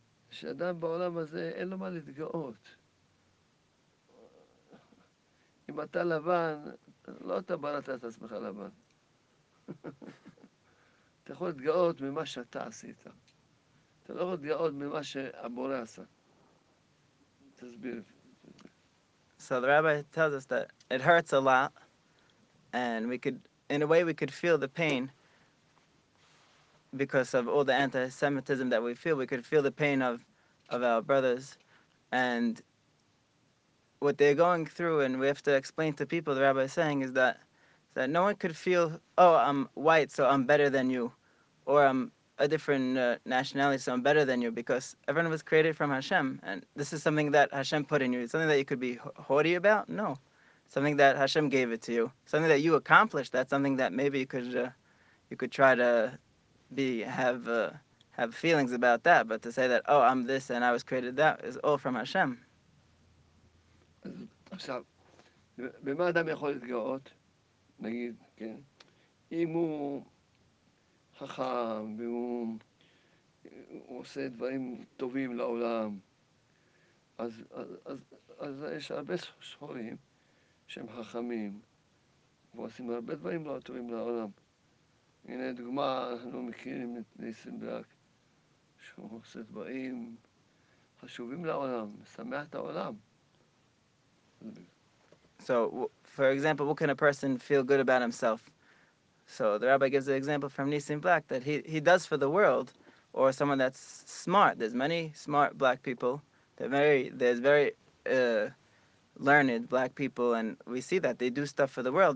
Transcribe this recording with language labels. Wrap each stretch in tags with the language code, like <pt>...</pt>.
<he>שאדם בעולם הזה אין לו מה להתגאות. אם אתה לבן, לא אתה בראת את עצמך לבן. אתה יכול להתגאות ממה שאתה עשית. אתה לא יכול להתגאות ממה שהבורא עשה. תסביר.</he> <en>So the rabbi tells us that it hurts a lot, and we could, in a way, we could feel the pain. because of all the anti-Semitism that we feel. We could feel the pain of our brothers and what they're going through, and we have to explain to people, the rabbi is saying, is that no one could feel, oh, I'm white, so I'm better than you, or I'm a different nationality, so I'm better than you, because everyone was created from Hashem, and this is something that Hashem put in you. It's something that you could be haughty about? No. Something that Hashem gave it to you. Something that you accomplished, that's something that maybe you could try to have feelings about that, but to say that, oh, I'm this and I was created that, is all from Hashem.</en> <he>עכשיו, במה אדם יכול להתגאות, נגיד, כן, אם הוא חכם והוא עושה דברים טובים לעולם, אז יש הרבה שחורים שהם חכמים ועושים הרבה דברים לא טובים לעולם. הנה דוגמה, אנחנו מכירים את ניסים ברק, שהוא עושה דברים חשובים לעולם, משמח את העולם.</he> <en>So, for example, what can a person feel good about himself? So the rabbi gives an example from Nissim Black that he does for the world, or someone that's smart. There's many smart black people. There's very learned black people, and we see that they do stuff for the world.</en>